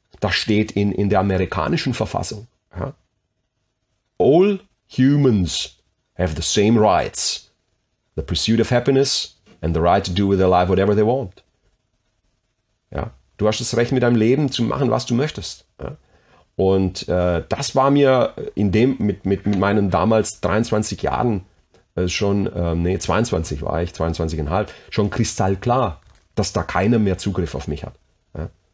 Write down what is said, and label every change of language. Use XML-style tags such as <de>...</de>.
<de>Das steht in der amerikanischen Verfassung. Ja.</de> <en>All humans have the same rights. The pursuit of happiness and the right to do with their life whatever they want.</en> <de>Ja, du hast das Recht, mit deinem Leben zu machen, was du möchtest. Ja. Und das war mir in dem mit meinen damals 23 Jahren schon, 22 war ich, 22,5, schon kristallklar, dass da keiner mehr Zugriff auf mich hat. Ja.</de>